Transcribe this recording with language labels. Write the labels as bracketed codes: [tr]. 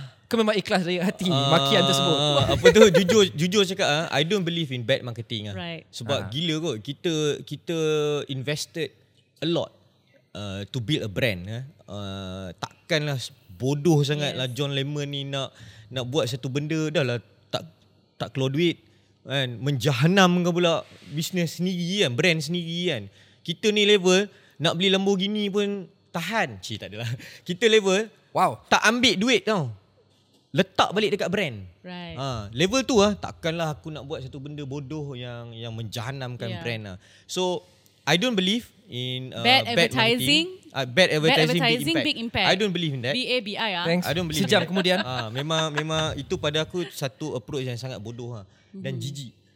[ms] Kau memang ikhlas dari hati makian tersebut. Apa tu, jujur cakap, [en] I don't believe in bad marketing. Right. [ms] Sebab gila kot, kita [en] invested a lot to build a brand. [ms] Takkanlah bodoh sangatlah John Lemon ni nak buat satu benda dah lah tak keluar duit kan, menjahanamkan pula bisnes sendiri kan, brand sendiri kan. Kita ni level nak beli Lamborghini pun tahan. Tak adalah. Kita level tak ambil duit tau. Letak balik dekat brand. Right. Level tu takkanlah aku nak buat satu benda bodoh yang menjahanamkan brand lah. [en] So I don't believe in bad advertising big impact. I don't believe in that. [ms] BABI [en] Thanks. I don't believe. [ms] Sejam kemudian. memang itu pada aku satu approach yang sangat bodoh dan jijik.